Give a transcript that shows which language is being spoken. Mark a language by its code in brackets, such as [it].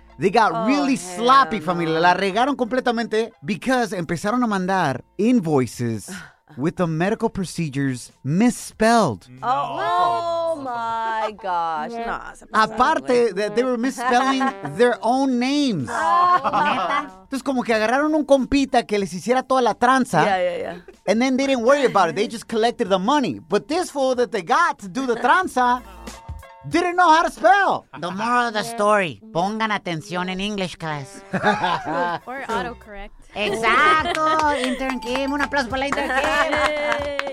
[en] They got really sloppy, familia. [es] La regaron completamente [en] because [es] empezaron a mandar [en] invoices with the medical procedures misspelled. No. Oh my gosh. No, aparte, that they were misspelling their own names. [es] Entonces, como que agarraron un compita que les hiciera toda la tranza. [en] Yeah. And then they didn't worry about it. They just collected the money. But this fool that they got to do the tranza didn't know how to spell. The moral of the story. [es] Pongan atención en [en] English class. Or autocorrect. [es] Exacto. Intern Kim. Un aplauso para la intern Kim.